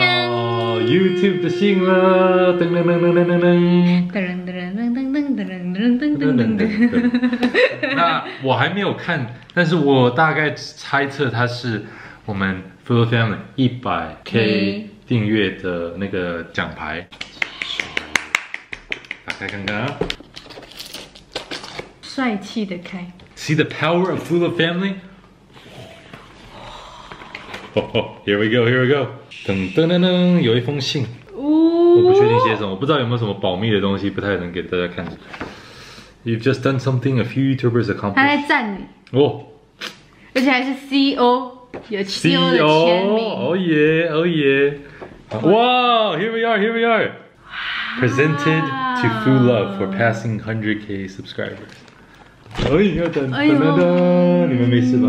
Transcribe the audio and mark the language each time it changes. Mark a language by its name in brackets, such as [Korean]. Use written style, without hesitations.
[Chinese] 到 YouTube 的信了，噔噔噔噔噔噔噔，那我还没有看，但是我大概猜测它是我们 Full Family 100K。订阅的那个奖牌，打开看看啊帅气的开。 [English] See the power of Fuller Family. Oh, here we go, here we go. [Chinese] 噔噔噔噔，有一封信，我不确定写什么，我不知道有没有什么保密的东西，不太能给大家看。 [English] You've just done something a few YouTubers accomplished. [Chinese] 他在赞你，哦，而且还是 CEO，有 CEO 的签名。 [English] CEO，oh yeah, oh yeah. Wow, here we are, here we are. Presented to Foo Love for passing 100K subscribers. [Chinese] 哎呦，等等等等，你们没事吧？